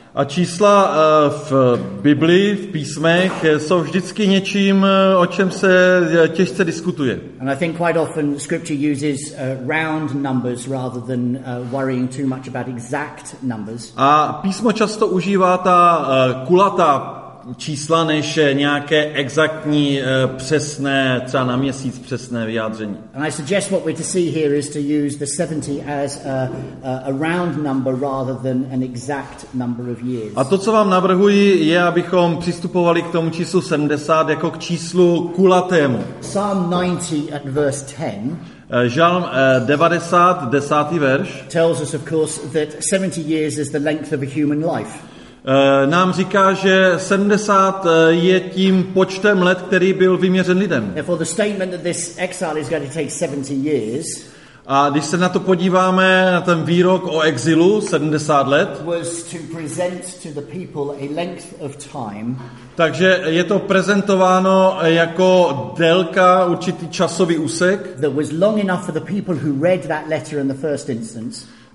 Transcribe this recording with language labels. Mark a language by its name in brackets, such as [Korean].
[Czech] A čísla v Biblii, v písmech, jsou vždycky něčím, o čem se těžce diskutuje. [English] And I think quite often scripture uses round numbers rather than worrying too much about exact numbers. [Czech] A písmo často užívá ta kulatá čísla než nějaké exaktní, přesné, třeba na měsíc přesné vyjádření. [English] And I suggest what we're to see here is to use the 70 as a round number rather than an exact number of years. [Czech] A to, co vám navrhuji, je, abychom přistupovali k tomu číslu 70 jako k číslu kulatému. [English] Psalm 90 at verse 10. [Czech] Žalm 90, 10. verš. [English] Tells us, of course, that 70 years is the length of a human life. [Czech] Nám říká, že 70 je tím počtem let, který byl vyměřen lidem. [English] Therefore the statement that this exile is going to take 70 years. [Czech] A když se na to podíváme, na ten výrok o exilu 70 let, [English] was to present to the people a length of time. [Czech] Takže je to prezentováno jako délka, určitý časový úsek. [English] That was long enough for the people who read that letter in the first instance.